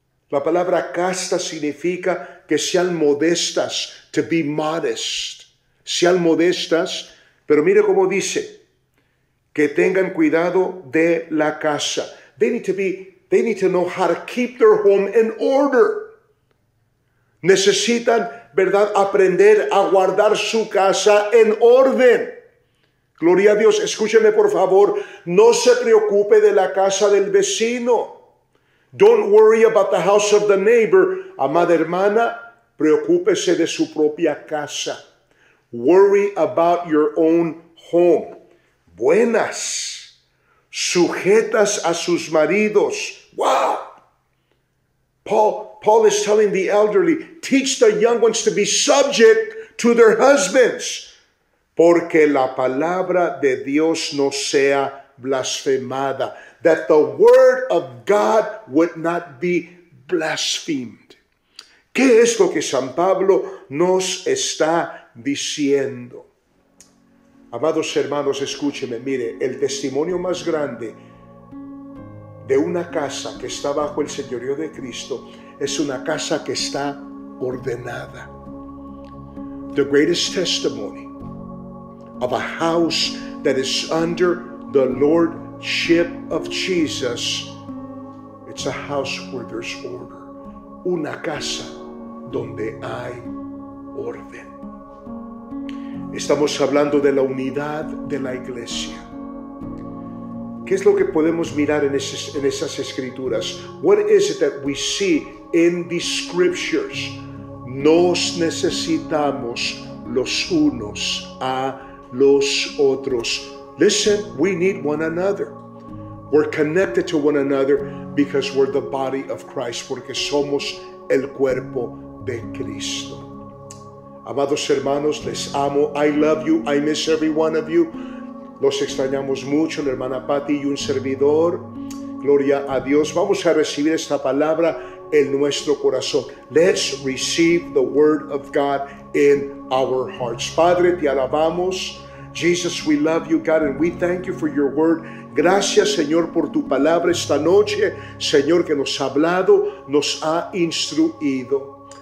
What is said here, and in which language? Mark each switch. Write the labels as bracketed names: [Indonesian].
[Spanish] La palabra casta significa que sean modestas, [English] to be modest. [Spanish] Sean modestas, pero mire cómo dice. Que tengan cuidado de la casa. [English] They need to know how to keep their home in order. [Spanish] Necesitan, ¿verdad?, aprender a guardar su casa en orden. Gloria a Dios, escúcheme por favor. No se preocupe de la casa del vecino. [English] Don't worry about the house of the neighbor. [Spanish] Amada hermana, preocúpese de su propia casa. [English] Worry about your own home. [Spanish] Buenas, sujetas a sus maridos. [English] Wow. Paul is telling the elderly, teach the young ones to be subject to their husbands. [Spanish] Porque la palabra de Dios no sea blasfemada. [English] That the word of God would not be blasphemed. [Spanish] ¿Qué es lo que San Pablo nos está diciendo? Amados hermanos, escúcheme, mire, el testimonio más grande de una casa que está bajo el Señorío de Cristo es una casa que está ordenada. [English] The greatest testimony of a house that is under the Lordship of Jesus, it's a house where there's order. [Spanish] Una casa donde hay orden. Estamos hablando de la unidad de la iglesia. ¿Qué es lo que podemos mirar en esas escrituras? [English] What is it that we see in the scriptures? [Spanish] Nos necesitamos los unos a los otros. [English] Listen, we need one another. We're connected to one another because we're the body of Christ, [Spanish] porque somos el cuerpo de Cristo. Amados hermanos, les amo. [English] I love you. I miss every one of you. [Spanish] Los extrañamos mucho, la hermana Patty y un servidor. Gloria a Dios. Vamos a recibir esta palabra en nuestro corazón. [English] Let's receive the word of God in our hearts. [Spanish] Padre, te alabamos. [English] Jesus, we love you, God, and we thank you for your word. [Spanish] Gracias, Señor, por tu palabra esta noche. Señor, que nos ha hablado, nos ha instruido.